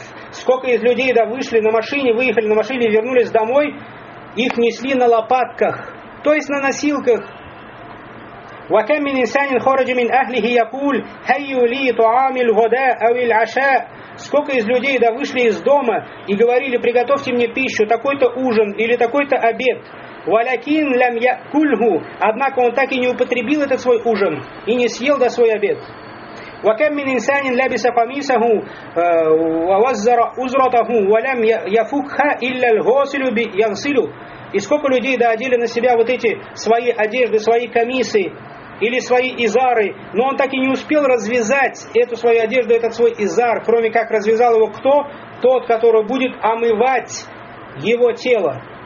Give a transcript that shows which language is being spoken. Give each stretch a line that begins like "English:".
Russian: Сколько из людей да вышли на машине, выехали на машине, вернулись домой, их несли на лопатках, то есть на носилках.
Arabic: وكم من إنسان خرج من أهله يقول هيا لي طعام الغداء أو العشاء.
Russian: Сколько из людей да вышли из дома и говорили: приготовьте мне пищу, такой-то ужин или такой-то обед.
Arabic: ولكن لم يأكله.
Russian: Однако он так и не употребил этот свой ужин и не съел да свой обед.
Arabic: وكم من إنسان لبس قميصه ووزر أزرته ولم يفكها إلا الغاسل يغسل.
Russian: И сколько людей да одели на себя вот эти свои одежды, свои камисы или свои изары, но он так и не успел развязать эту свою одежду, этот свой изар, кроме как развязал его кто? Тот, который будет омывать его тело.